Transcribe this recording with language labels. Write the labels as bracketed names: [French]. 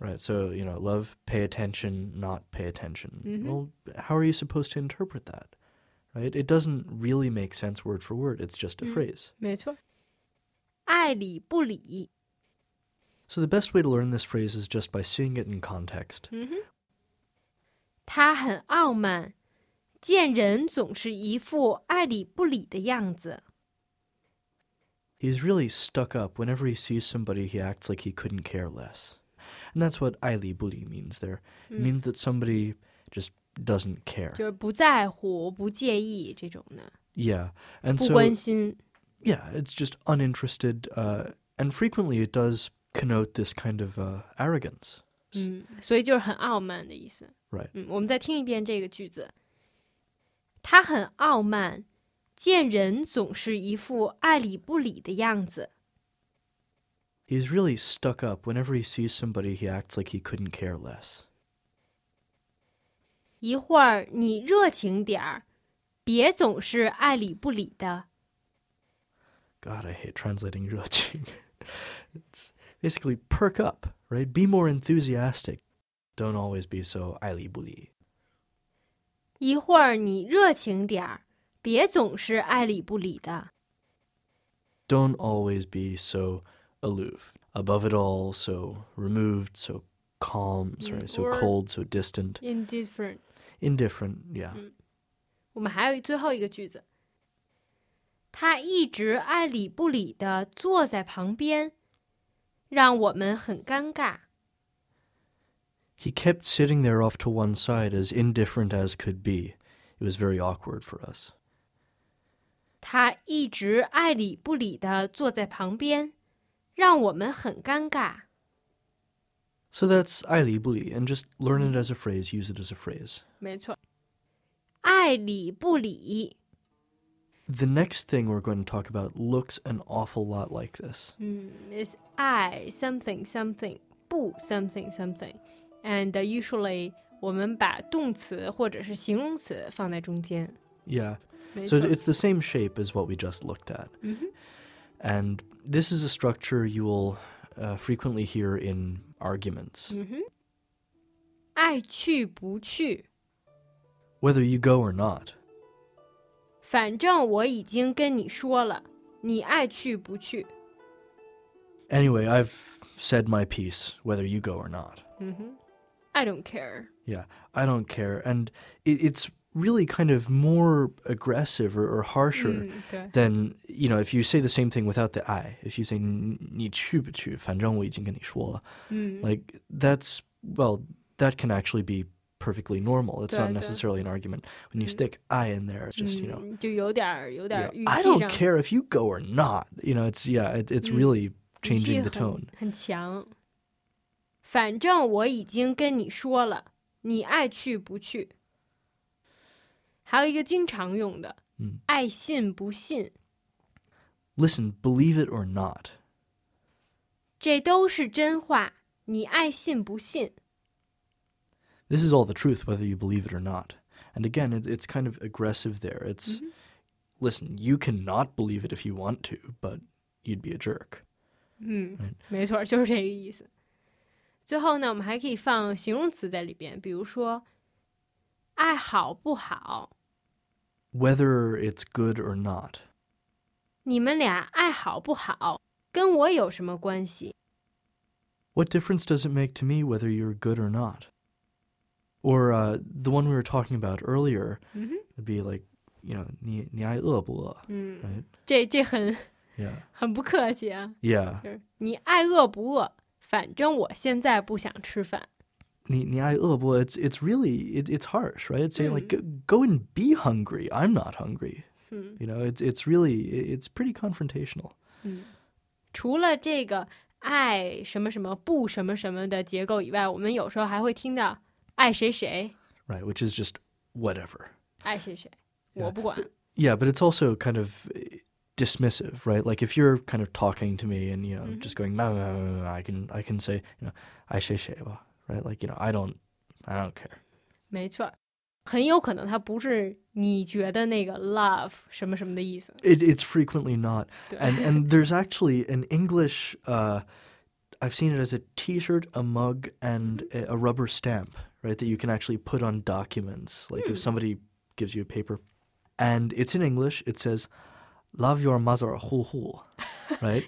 [English] Right, so, you know, love, pay attention, not pay attention. Well, how are you supposed to interpret that? Right, it doesn't really make sense word for word, it's just a phrase. [Chinese] 没错。爱理不理。 [English] So the best way to learn this phrase is just by seeing it in context. [Chinese] 他很傲慢。见人总是一副爱理不理的样子。 [English] He's really stuck up. Whenever he sees somebody, he acts like he couldn't care less. And that's what [Chinese] 爱理不理 [English] means there. It means that somebody just doesn't care. [Chinese] 就是不在乎、不介意这种的。 [English] Yeah. And [Chinese] 不关心。 [English] So, yeah, it's just uninterested. And frequently it does connote this kind of arrogance. [Chinese] 所以就是很傲慢的意思。 [English] Right. [Chinese] 我们再听一遍这个句子。他很傲慢，见人总是一副爱理不理的样子。 [English] He's really stuck up. Whenever he sees somebody, he acts like he couldn't care less. [Chinese] 一会儿你热情点儿，别总是爱理不理的。 [English] God, I hate translating 热情. It's basically perk up, right? Be more enthusiastic. Don't always be so [Chinese] 爱理不理。一会儿你热情点儿，别总是爱理不理的。 [English] Don't always be so aloof. Above it all, so removed, so calm, sorry, so cold, so distant. Indifferent. Indifferent, yeah. [Chinese] 我们还有最后一个句子。他一直爱理不理地坐在旁边，让我们很尴尬。 [English] He kept sitting there off to one side, as indifferent as could be. It was very awkward for us. [Chinese] 他一直爱理不理地坐在旁边，让我们很尴尬。 [English] So that's [Chinese] 爱理不理, [English] and just learn it as a phrase, use it as a phrase. [Chinese] 没错。爱理不理。 [English] The next thing we're going to talk about looks an awful lot like this. It's 爱 something something, 不 something something. And usually, [Chinese] 我们把动词或者是形容词放在中间。 [English] Yeah, so it's the same shape as what we just looked at. And this is a structure you will frequently hear in arguments. [Chinese] 爱去不去。 [English] Whether you go or not. [Chinese] 反正我已经跟你说了，你爱去不去。 [English] Anyway, I've said my piece, whether you go or not. I don't care. Yeah, I don't care. And it's really kind of more aggressive or harsher than, you know, if you say the same thing without the I. If you say, [Chinese] 你去不去反正我已经跟你说了。 [English] Like, that's, well, that can actually be perfectly normal. It's not necessarily an argument. When you stick I in there, it's just, you know. [Chinese] 就有点语气上。 [English] I don't care if you go or not. You know, it's really changing the tone. [Chinese] 很强。反正我已经跟你说了，你爱去不去。还有一个经常用的，爱信不信。 [English] Listen, believe it or not. [Chinese] 这都是真话，你爱信不信。 [English] This is all the truth, whether you believe it or not. And again, it's kind of aggressive there. It's, listen, you cannot believe it if you want to, but you'd be a jerk. [Chinese] 没错，就是这个意思。最后呢，我们还可以放形容词在里边，比如说，爱好不好。 [English] Whether it's good or not. [Chinese] 你们俩爱好不好，跟我有什么关系？ [English] What difference does it make to me whether you're good or not? Or the one we were talking about earlier would be like, you know, [Chinese] 你爱饿不饿？ [English] Right? [Chinese] 这很不客气啊。 [English] Yeah. [Chinese] 你爱饿不饿？反正我现在不想吃饭。你爱饿不？ [English] It's really, it's harsh, right? It's saying like, go and be hungry. I'm not hungry. You know, it's really, it's pretty confrontational. [Chinese] 除了这个爱什么什么不什么什么的结构以外，我们有时候还会听到爱谁谁。 [English] Right, which is just whatever. [Chinese] 爱谁谁，我不管。 [English] Yeah, but it's also kind of dismissive, right? Like if you're kind of talking to me and, you know, just going, mah, mah, mah, mah, I can say, you know, [Chinese] 爱谁谁吧, [English] right? Like, you know, I don't care. [Chinese] 没错。很有可能它不是你觉得那个 love 什么什么的意思。 [English] It's frequently not. And there's actually an English, I've seen it as a t-shirt, a mug, and a rubber stamp, right, that you can actually put on documents. Like if somebody gives you a paper. And it's in English. It says, love your mother, hu hu, right?